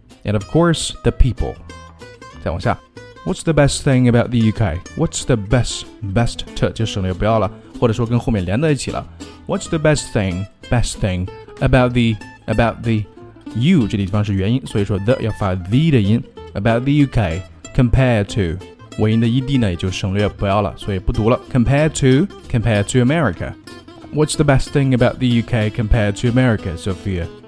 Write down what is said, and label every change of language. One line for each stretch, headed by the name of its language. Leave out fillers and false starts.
English: And of course, the people.
Chinese: 再往下
English: What's the best thing about the UK?
Chinese: What's the best to 就省略不要了，或者说跟后面连在一起了。
English: What's the best thing about the U
Chinese: 这地方是元音，所以说 the 要发 the 的音。
English: About the UK compared to
Chinese: 尾音的 ed 呢，也就省略不要了，所以不读了。
English: Compared to America. What's the best thing about the UK compared to America, Sophia?